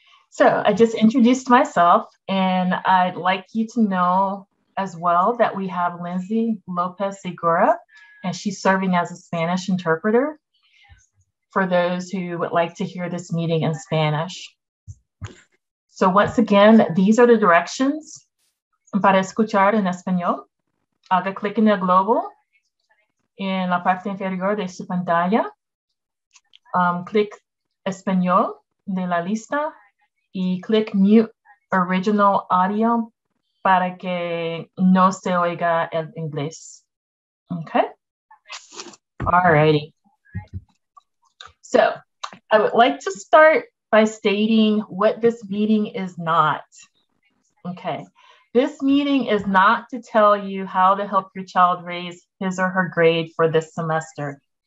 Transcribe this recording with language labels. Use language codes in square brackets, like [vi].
[en] So I just introduced myself, and I'd like you to know as well that we have Lindsay Lopez Segura, and she's serving as a Spanish interpreter for those who would like to hear this meeting in Spanish. So once again, these are the directions. [es] Para escuchar en español, haga clic en el globo en la parte inferior de su pantalla. Click español de la lista. Y click [en] mute original audio [es] para que no se oiga el inglés. [en] Okay. Alrighty. So I would like to start by stating what this meeting is not. Okay. This meeting is not to tell you how to help your child raise his or her grade for this semester.